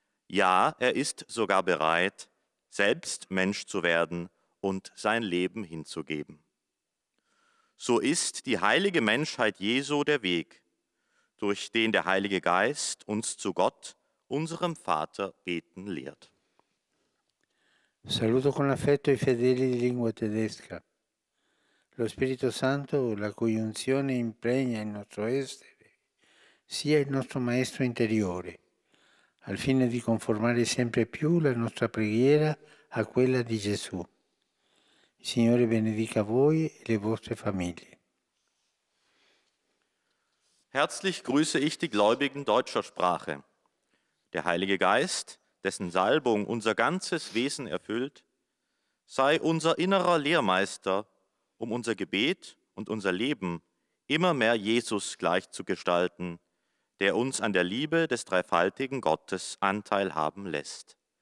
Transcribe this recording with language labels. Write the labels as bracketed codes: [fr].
[de] Ja, er ist sogar bereit, selbst Mensch zu werden und sein Leben hinzugeben. So ist die heilige Menschheit Jesu der Weg, durch den der Heilige Geist uns zu Gott, unserem Vater, beten lehrt. [it] Saluto con affetto i fedeli di lingua tedesca. Lo Spirito Santo, la cui unzione impregna il nostro essere, sia il nostro maestro interiore, al fine di conformare sempre più la nostra preghiera a quella di Gesù. Il Signore benedica voi e le vostre famiglie. [de] Herzlich grüße ich die Gläubigen deutscher Sprache. Der Heilige Geist, dessen Salbung unser ganzes Wesen erfüllt, sei unser innerer Lehrmeister, um unser Gebet und unser Leben immer mehr Jesus gleich zu gestalten, der uns an der Liebe des dreifaltigen Gottes Anteil haben lässt.